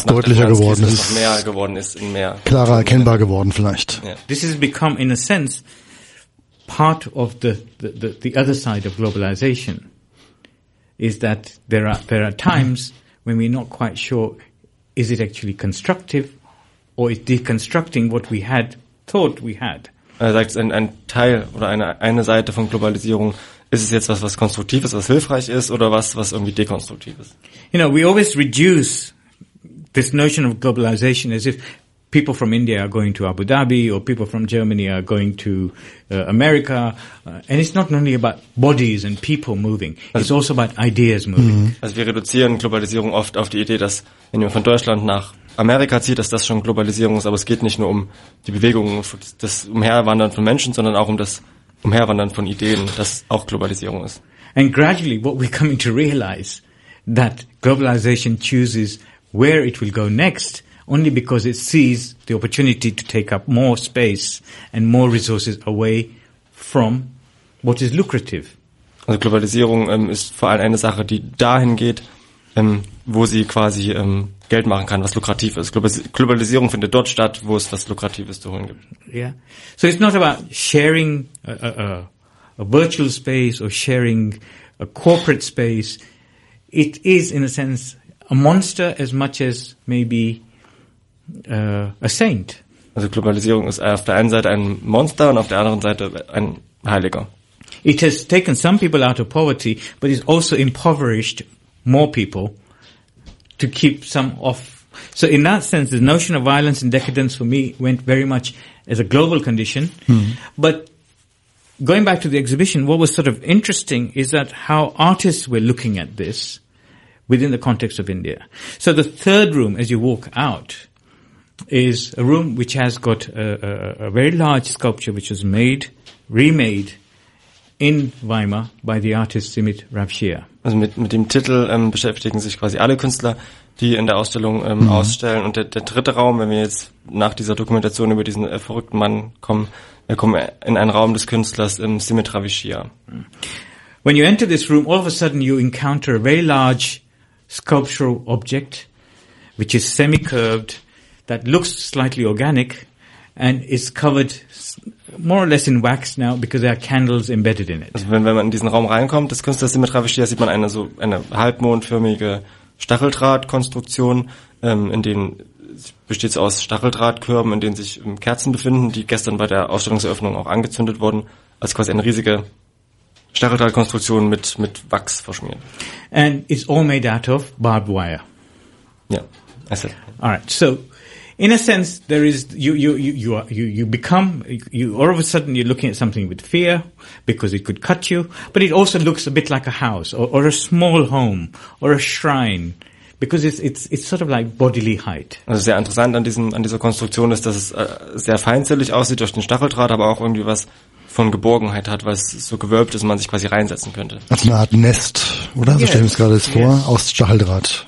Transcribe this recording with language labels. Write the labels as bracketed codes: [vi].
[de] ist deutlicher geworden ist, noch mehr geworden ist in mehr klarer erkennbar geworden vielleicht. [en] Yeah. This has become in a sense part of the other side of globalization is that there are times when we're not quite sure is it actually constructive or is deconstructing what we had thought we had. [de] Er sagt, ein Teil oder eine Seite von Globalisierung ist es jetzt was Konstruktives, was hilfreich ist oder was irgendwie dekonstruktiv ist. [en] You know, we always reduce this notion of globalization as if people from India are going to Abu Dhabi or people from Germany are going to America. And it's not only about bodies and people moving. It's also about ideas moving. [de] Also wir reduzieren Globalisierung oft auf die Idee, dass wenn jemand von Deutschland nach Amerika zieht, dass das schon Globalisierung ist. Aber es geht nicht nur um die Bewegung, das Umherwandern von Menschen, sondern auch um das Umherwandern von Ideen, das auch Globalisierung ist. [en] And gradually what we're coming to realize that globalization chooses where it will go next, only because it sees the opportunity to take up more space and more resources away from what is lucrative. [de] Also Globalisierung ist vor allem eine Sache, die dahin geht, wo sie quasi Geld machen kann, was lukrativ ist. Globalisierung findet dort statt, wo es was Lukratives zu holen gibt. [en] Yeah. So it's not about sharing a virtual space or sharing a corporate space. It is, in a sense, a monster as much as maybe a saint. [de] Also Globalisierung ist auf der einen Seite ein Monster und auf der anderen Seite ein Heiliger. [en] It has taken some people out of poverty, but it's also impoverished more people to keep some off. So in that sense, the notion of violence and decadence for me went very much as a global condition. But going back to the exhibition, what was sort of interesting is that how artists were looking at this within the context of India. So the third room, as you walk out, is a room which has got a very large sculpture which was remade in Weimar by the artist Simit Rabshia. [de] Also mit dem Titel beschäftigen sich quasi alle Künstler, die in der Ausstellung ausstellen. Und der dritte Raum, wenn wir jetzt nach dieser Dokumentation über diesen verrückten Mann kommen, wir kommen in einen Raum des Künstlers Simit Rabshia. [en] When you enter this room, all of a sudden you encounter a very large sculptural object, which is semi-curved, that looks slightly organic, and is covered more or less in wax now because there are candles embedded in it. [de] Also wenn man in diesen Raum reinkommt, des Künstlers Simit Rabshia, sieht man eine halbmondförmige Stacheldrahtkonstruktion, in denen besteht es aus Stacheldrahtkörben, in denen sich Kerzen befinden, die gestern bei der Ausstellungseröffnung auch angezündet wurden, als quasi eine riesige Stacheldrahtkonstruktion mit Wachs verschmiert. [en] And it's all made out of barbed wire. Yeah, I said. All right, so in a sense, there is you become all of a sudden you're looking at something with fear because it could cut you, but it also looks a bit like a house or a small home or a shrine. Because it's sort of like bodily height. [de] Also sehr interessant an dieser Konstruktion ist, dass es sehr feinzellig aussieht durch den Stacheldraht, aber auch irgendwie was von Geborgenheit hat, weil es so gewölbt ist, man sich quasi reinsetzen könnte. Also eine Art Nest, oder? So stellen wir es gerade vor, aus Stacheldraht.